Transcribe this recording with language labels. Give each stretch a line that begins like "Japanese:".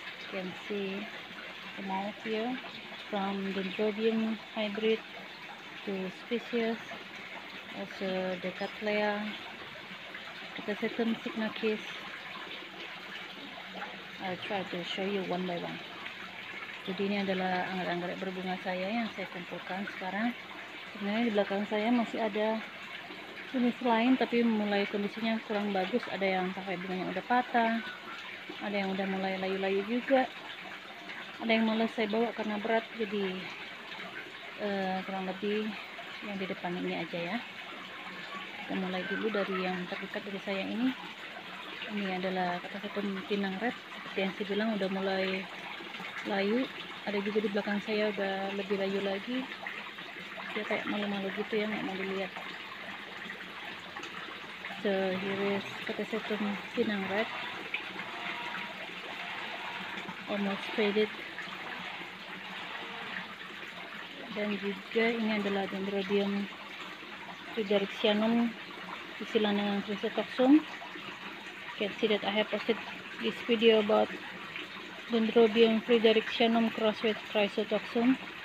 English: You can see them all here, from Dendrobium hybrid to species, also the Cattleya, Catasetums signakis. I'll try to show you one by one.
Indonesian: Jadi ini adalah anggrek-anggrek berbunga saya yang saya kumpulkan sekarang. Sebenarnya di belakang saya masih ada jenis lain, tapi mulai kondisinya kurang bagus. Ada yang sampai bunganya udah patah, ada yang udah mulai layu-layu juga, ada yang malas saya bawa karena berat. Jadi kurang lebih yang di depan ini aja ya. Kita mulai dulu dari yang terdekat dari saya ini. Ini adalah Catasetum pinang red. Seperti yang saya bilang, udah mulai layu. Ada juga di belakang saya udah lebih layu lagi. Dia kayak malu-malu gitu ya, nggak mau dilihat.
English: So here is Catasetum pinang red, almost faded.
Indonesian: Dan juga ini adalah Dendrobium Fridericianum disilang dengan Chrysotoxum.
English: You can see that I have posted this video about Dendrobium Fridericianum cross with Chrysotoxum.